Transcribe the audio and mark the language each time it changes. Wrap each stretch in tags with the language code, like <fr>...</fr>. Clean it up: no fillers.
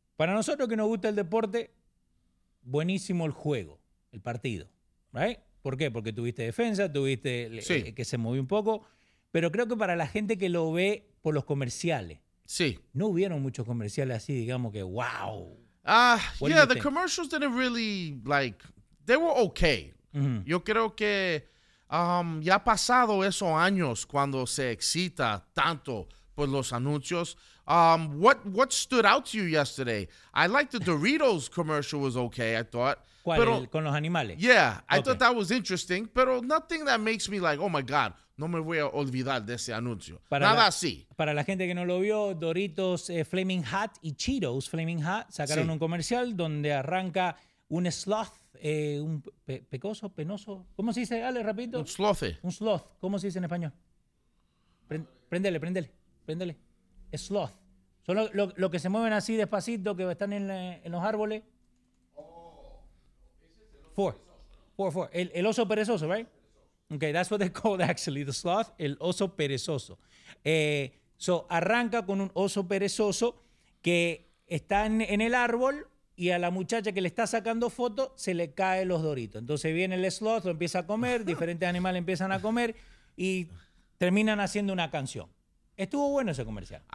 <es>Para nosotros que nos gusta el deporte, buenísimo el juego, el partido. Right? ¿Por qué? Porque tuviste defensa, tuviste que se movió un poco. Pero creo que para la gente que lo ve por los comerciales, sí. No hubieron muchos comerciales así, digamos que wow.</es> <en>The commercials didn't really, like, they were okay. Mm-hmm.</en> <es>Yo creo que ya ha pasado esos años cuando se excita tanto por los anuncios.</es> <en>What stood out to you yesterday? I liked the Doritos commercial was okay, I thought.</en> <es>¿Cuál? Pero, ¿con los animales?</es> <en>Yeah, I thought that was interesting, pero nothing that makes me like, oh my God,</en> <es>no me voy a olvidar de ese anuncio. Nada así. Para la gente que no lo vio, Doritos Flaming Hot y Cheetos Flaming Hot sacaron un comercial donde arranca un sloth, penoso. ¿Cómo se dice? Dale, rapidito. Un slothe. Un sloth. ¿Cómo se dice en español? Préndele. Sloth. Son los que se mueven así despacito, que están en los árboles. Four. El oso perezoso, right?</es> <en>Okay, that's what they called actually, the sloth, el oso perezoso.</en> <es>So, arranca con un oso perezoso que está en el árbol y a la muchacha que le está sacando foto se le caen los doritos. Entonces viene el sloth, lo empieza a comer, diferentes animales empiezan a comer y terminan haciendo una canción. Estuvo bueno ese comercial.</es>